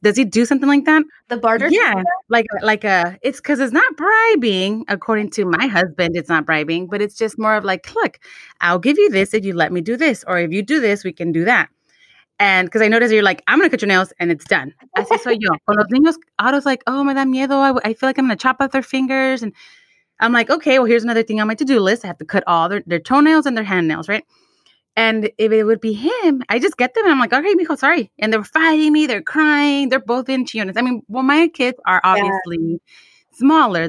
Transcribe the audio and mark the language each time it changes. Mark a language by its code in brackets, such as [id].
[en] Does he do something like that? The barter? Yeah. Like a, it's because it's not bribing. According to my husband, it's not bribing. But it's just more of like, look, I'll give you this if you let me do this. Or if you do this, we can do that. And because I noticed you're like, I'm going to cut your nails and it's done. [es] Así soy yo. Con los niños, [en] Otto's like, oh, [es] me da miedo. [en] I feel like I'm going to chop off their fingers. And I'm like, okay, well, here's another thing on my to-do list. I have to cut all their toenails and their hand nails, right? And if it would be him, I just get them. And I'm like, okay, mijo, sorry. And they're fighting me. They're crying. They're both in chillones. I mean, well, my kids are obviously smaller.